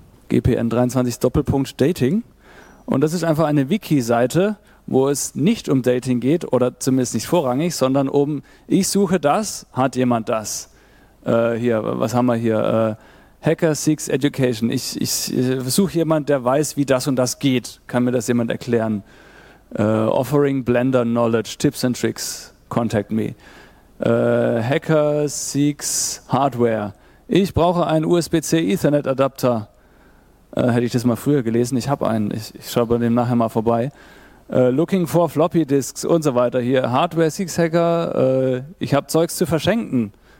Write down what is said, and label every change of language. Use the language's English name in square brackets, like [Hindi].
[German] GPN23:Dating. Und das ist einfach eine Wiki-Seite, wo es nicht um Dating geht, oder zumindest nicht vorrangig, sondern um, ich suche das, hat jemand das? Hier, was haben wir hier? [English] Hacker Seeks Education. [German] Ich suche jemanden, der weiß, wie das und das geht. Kann mir das jemand erklären? [English] Offering Blender Knowledge, Tips and Tricks, contact me. Hacker Seeks Hardware. [German] Ich brauche einen USB-C Ethernet Adapter. Hätte ich das mal früher gelesen, ich habe einen. Ich schaue bei dem nachher mal vorbei. [English] Looking for Floppy Disks [German] und so weiter hier. [English] Hardware Seeks Hacker. [German] Ich habe Zeugs zu verschenken.